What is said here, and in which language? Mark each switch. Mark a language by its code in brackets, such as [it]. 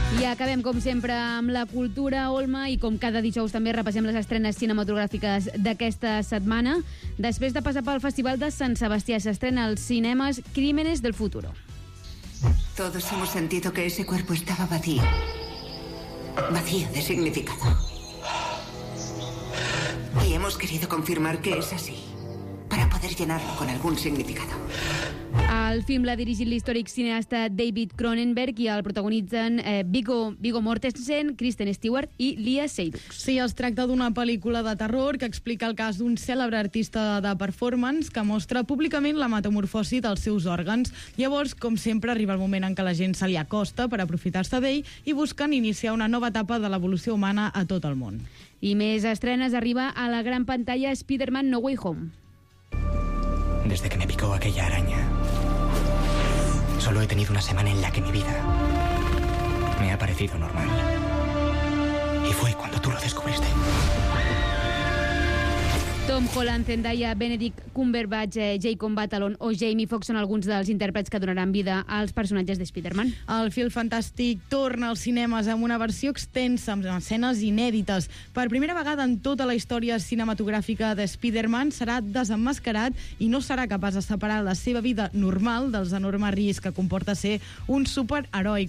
[ca] acabem, com sempre, amb la cultura, Olma, i com cada dijous també repassem les estrenes cinematogràfiques d'aquesta setmana. Després de passar pel Festival de Sant Sebastià, s'estrena als cinemes Crímenes del Futuro. [es] Todos hemos sentido que ese cuerpo estaba vacío. Vacío de significado. Y hemos querido confirmar que es así, para poder llenarlo con algún significado. [ca] El film l'ha dirigit l'històric cineasta David Cronenberg i el protagonitzen Viggo Mortensen, Kristen Stewart i Lia Seydoux. Sí, es tracta d'una pel·lícula de terror que explica el cas d'un cèlebre artista de performance que mostra públicament la metamorfosi dels seus òrgans. Llavors, com sempre, arriba el moment en què la gent se li acosta per aprofitar-se d'ell i busquen iniciar una nova etapa de l'evolució humana a tot el món. I més estrenes, arriba a la gran pantalla Spider-Man No Way Home. [es] Desde que me picó aquella araña, solo he tenido una semana en la que mi vida me ha parecido normal. Y fue cuando tú lo descubriste. [ca] Tom Holland, Zendaya, Benedict Cumberbatch, Jacob Batalon o Jamie Foxx són alguns dels intèrprets que donaran vida als personatges de Spider-Man. El film fantàstic torna als cinemes amb una versió extensa, amb escenes inèdites. Per primera vegada en tota la història cinematogràfica de Spider-Man serà desemmascarat i no serà capaç de separar la seva vida normal dels enormes riscs que comporta ser un superheroi.